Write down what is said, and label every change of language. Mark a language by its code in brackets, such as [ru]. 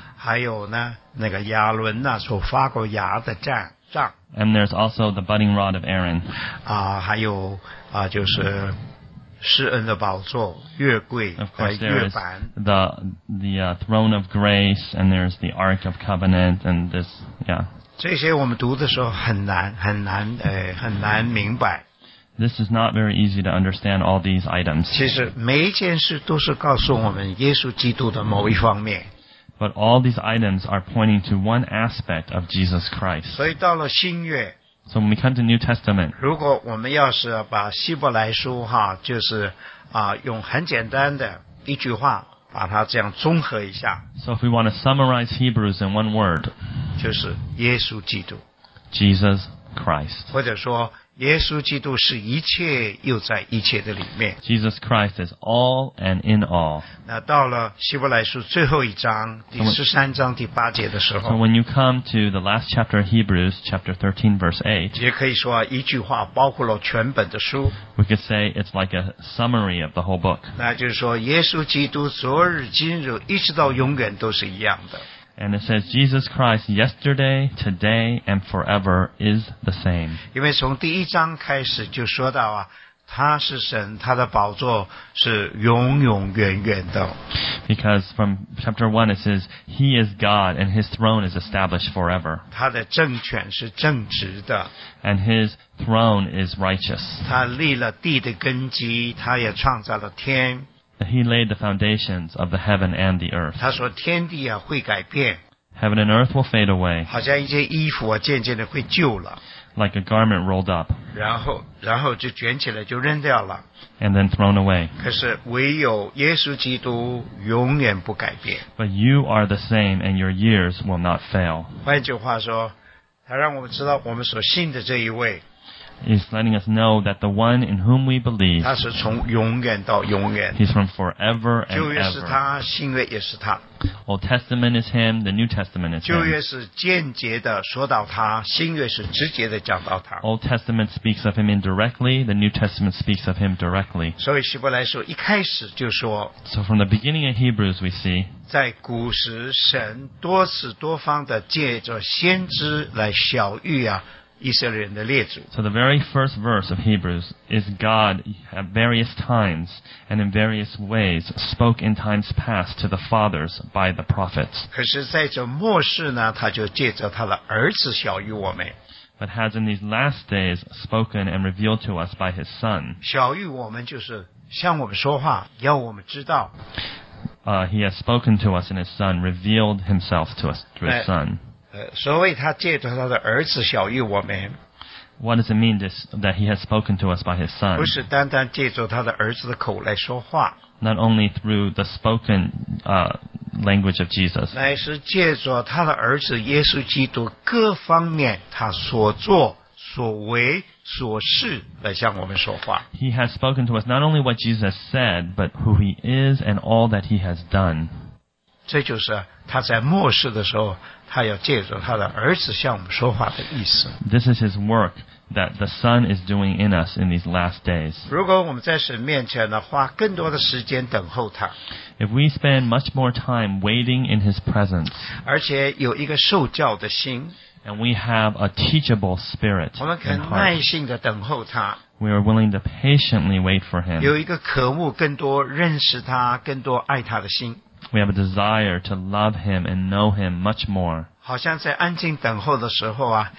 [zh] 还有呢，那个亚伦呢所发过芽的杖。 [en] And there's also the budding rod of Aaron. [zh] 还有就是施恩的宝座、月柜、月板。 [en] Of course, there is the throne of grace, and there's the ark of covenant, and this, yeah. [zh] 这些我们读的时候很难明白。 [en] This is not very easy to understand all these items. [zh] 其实每一件事都是告诉我们耶稣基督的某一方面。 [en] But all these items are pointing to one aspect of Jesus Christ. [zh] 所以到了新月, [en] so when we come to New Testament, [zh] 如果我们要是把希伯来书哈，就是用很简单的一句话把它这样综合一下。 [en] So if we want to summarize Hebrews in one word, [zh] 就是耶稣基督。 [en] Jesus Christ. [zh] 或者说耶稣基督是一切又在一切的里面。 [en] Jesus Christ is all and in all. [zh] 那到了希伯来书最后一章第十三章第八节的时候。 [en] So when you come to the last chapter of Hebrews, chapter 13, verse 8, [zh] 也可以说一句话包括了全本的书。 [en] We could say it's like a summary of the whole book. [zh] 那就是说耶稣基督昨日今日一直到永远都是一样的。 [en] And it says, Jesus Christ yesterday, today, and forever is the same. [zh] 因为从第一章开始就说到啊，他是神，他的宝座是永永远远的。 [en] Because from chapter 1 it says, He is God and His throne is established forever. [zh] 他的政权是正直的。 [en] And His throne is righteous. [zh] 他立了地的根基，他也创造了天。 [en] He laid the foundations of the heaven and the earth. [zh] 他说天地啊会改变。 [en] Heaven and earth will fade away. [zh] 好像一件衣服啊渐渐的会旧了。 [en] Like a garment rolled up. [zh] 然后就卷起来就扔掉了。 [en] And then thrown away. [zh] 可是唯有耶稣基督永远不改变。 [en] But you are the same and your years will not fail. [zh] 换句话说，他让我们知道我们所信的这一位。 [en] He's letting us know that the one in whom we believe, [zh] 他是从永远到永远, [en] He's from forever and ever. [zh] 旧约是他, 新约也是他。 [en] Old Testament is him, the New Testament is him. [zh] 旧约是间接的说到他, 新约是直接的讲到他。 [en] Old Testament speaks of him indirectly, the New Testament speaks of him directly. [zh] 所以希伯来书一开始就说, [en] So from the beginning of Hebrews we see, [zh] 在古时神多次多方的借着先知来晓谕啊以色列人的列祖。 [en] So the very first verse of Hebrews is God at various times and in various ways spoke in times past to the fathers by the prophets. [zh] 可是在这末世呢，他就借着他的儿子晓谕我们。 [en] But has in these last days spoken and revealed to us by his son. [zh] 晓谕我们就是向我们说话，要我们知道。 [en] He has spoken to us in his son, revealed himself to us through his son. [zh] 所谓他借着他的儿子晓谕我们 [en] What does it mean this, that he has spoken to us by his son? [zh] 不是单单借着他的儿子的口来说话 [en] Not only through the spoken language of Jesus [zh] 乃是借着他的儿子耶稣基督各方面他所做所为所事来向我们说话 [en] He has spoken to us not only what Jesus said but who he is and all that he has done [zh] 这就是他在末世的时候他要借着他的儿子向我们说话的意思。 [en] This is his work that the Son is doing in us in these last days. [zh] 如果我们在神面前呢，花更多的时间等候他。 [en] If we spend much more time waiting in his presence. [zh] 而且有一个受教的心。 [en] And we have a teachable spirit. [zh] 我们肯耐心地等候他。 [en] We are willing to patiently wait for him. [zh] 有一个渴慕更多认识他，更多爱他的心。 [en] We have a desire to love him and know him much more. [zh] 好像在安静等候的时候啊